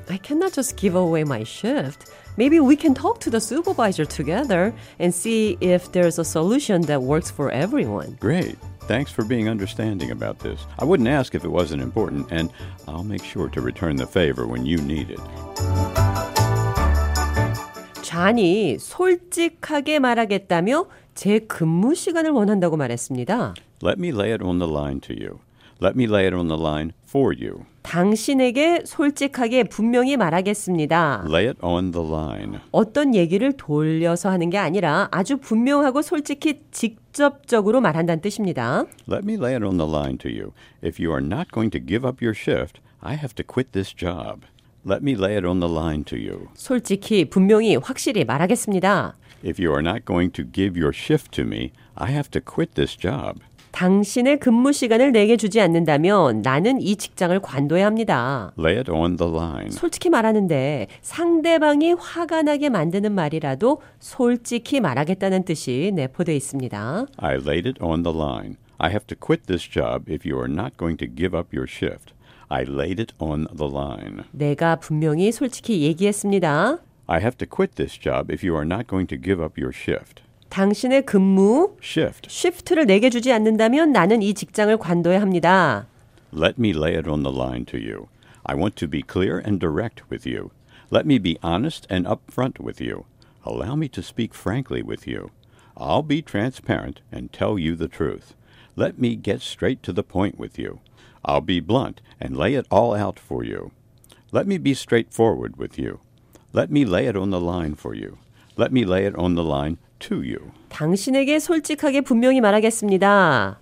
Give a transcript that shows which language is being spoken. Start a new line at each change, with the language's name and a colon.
English: I cannot just give away my shift. Maybe we can talk to the supervisor together and see if there's a solution that works for everyone. Great. Thanks for being understanding about this. I wouldn't ask if it wasn't important, and I'll make sure to return the favor when you need it.
Korean: 잔이 솔직하게 말하겠다며 제 근무 시간을 원한다고 말했습니다.
English: Let me lay it on the line to you. Let me lay it on the line for you.
Korean: 당신에게 솔직하게 분명히 말하겠습니다.
English: Lay it on the line.
Korean: 어떤 얘기를 돌려서 하는 게 아니라 아주 분명하고 솔직히 직접적으로 말한다는 뜻입니다.
English: Let me lay it on the line to you. If you are not going to give up your shift, I have to quit this job. Let me lay it on the line to you.
Korean: 솔직히 분명히 확실히 말하겠습니다.
English: If you are not going to give your shift to me, I have to quit this job.
Korean: 당신의 근무 시간을 내게 주지 않는다면 나는 이 직장을 관둬야 합니다.
English: Lay it on the line.
Korean: 솔직히 말하는데 상대방이 화가 나게 만드는 말이라도 솔직히 말하겠다는 뜻이 내포되어 있습니다.
English: I laid it on the line. I have to quit this job if you are not going to give up your shift. I laid it on the line.
Korean: 내가 분명히 솔직히 얘기했습니다. I have to quit this job if you are not going to give up your shift. 당신의 근무
English: shift.
Korean: 쉬프트를 내게 주지 않는다면 나는 이 직장을 관둬야 합니다.
English: Let me lay it on the line to you. I want to be clear and direct with you. Let me be honest and upfront with you. Allow me to speak frankly with you. I'll be transparent and tell you the truth. Let me get straight to the point with you. I'll be blunt and lay it all out for you. Let me be straightforward with you. Let me lay it on the line for you. Let me lay it on the line to you.
Korean: 당신에게 솔직하게 분명히 말하겠습니다.